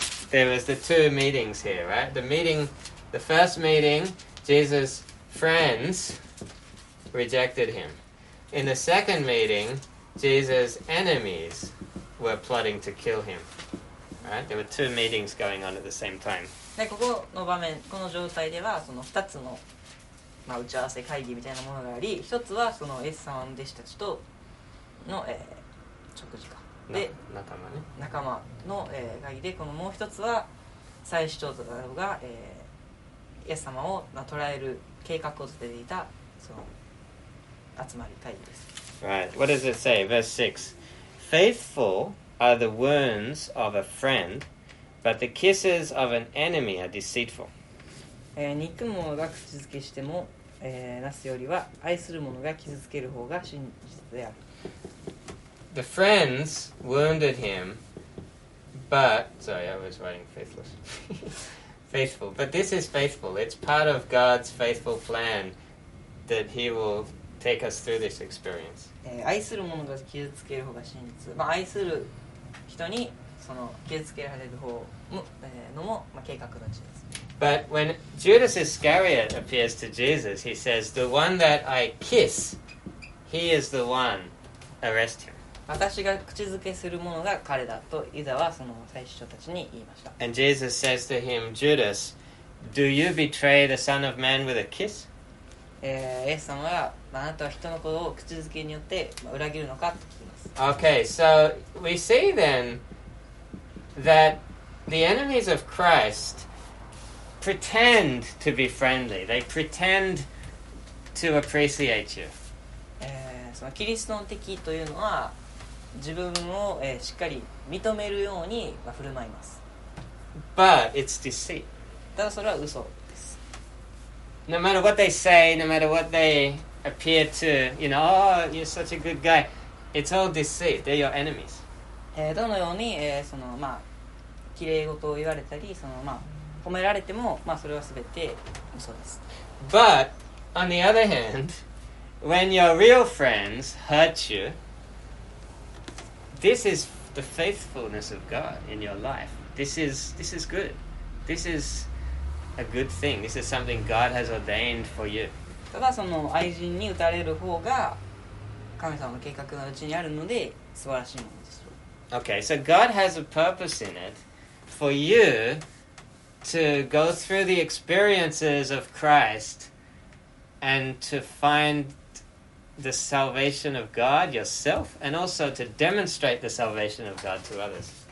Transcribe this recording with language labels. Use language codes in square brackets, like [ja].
[en] There was the two meetings here, right? The first meeting, Jesus' friends rejected him. In the second meeting, Jesus' enemies were plotting to kill him. Right? There were two meetings going on at the same time. [ja] で、ここの場面、この状態ではその2つの、まあ、打ち合わせ会議みたいなものがあり、1つはそのイエス様の弟子たちとの、食事か。で、仲間ね。仲間の、会議で、このもう1つは祭司長が、イエス様を捕らえる計画を立てていたその集まり会議です。 [en] Right. What does it say? Verse 6. Faithful are the wounds of a friend, but the kisses of an enemy are deceitful. [ja] 憎むものが口づけしても、なすよりは愛するものが傷つける方が真実である。 [en] The friends wounded him, but... Sorry, I was writing faithless. Faithful. But this is faithful. It's part of God's faithful plan that he will take us through this experience. [ja] 愛するものが傷つける方が真実。まあ、愛する人にその傷つけられる方も、のも、まあ、計画のうちです。 [en] But when Judas Iscariot appears to Jesus, he says, the one that I kiss, he is the one. Arrest him. [ja] 私が口づけするものが彼だとユダはその祭司長たちに言いました。 [en] And Jesus says to him, Judas, do you betray the Son of Man with a kiss? [ja] イエス様は、あなたは人の子を口づけによって裏切るのかと聞きます。 [en] Okay, so we see then that the enemies of Christ pretend to be friendly. They pretend to appreciate you. [ja] そのキリストの敵というのは自分を、しっかり認めるように、まあ、振る舞います。 [en] But it's deceit. [ja] ただそれは嘘です。 [en] No matter what they say, no matter what they appear to, you know, oh, you're such a good guy. It's all deceit. They're your enemies. [ja] どのように、そのまあ綺麗事を言われたり、そのまあ褒められても、まあそれはすべて嘘です。 [en] But on the other hand, when your real friends hurt you, this is the faithfulness of God in your life. This is good. This is a good thing. This is something God has ordained for you. [ja] ただその愛人に打たれる方が神様の計画のうちにあるので素晴らしいものです。 [en] Okay, so God has a purpose in it for you to go through the experiences of Christ and to find the salvation of God yourself and also to demonstrate the salvation of God to others.